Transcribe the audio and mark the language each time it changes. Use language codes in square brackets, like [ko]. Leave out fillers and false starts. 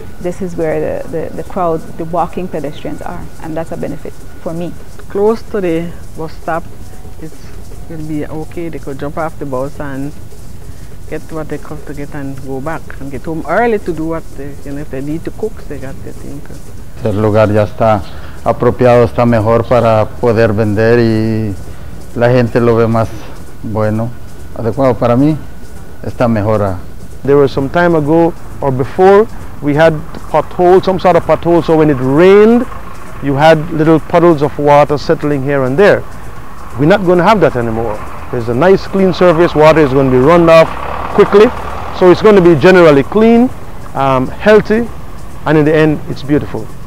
[en] This is where the crowd, the walking pedestrians are, and that's a benefit for me. Close to the bus stop, it will be okay. They could jump off the bus and get what they come to get and go back and get home early to do what they, you know, if they need to cook, they got the thing. [es] El lugar ya está apropiado, está mejor para poder vender y la gente lo ve más bueno. Adecuado para mí, está mejor. [en] There was some time ago or before, we had potholes, some sort of potholes, so when it rained, you had little puddles of water settling here and there. We're not going to have that anymore. There's a nice clean surface, water is going to be run off quickly, so it's going to be generally clean, healthy, and in the end, it's beautiful.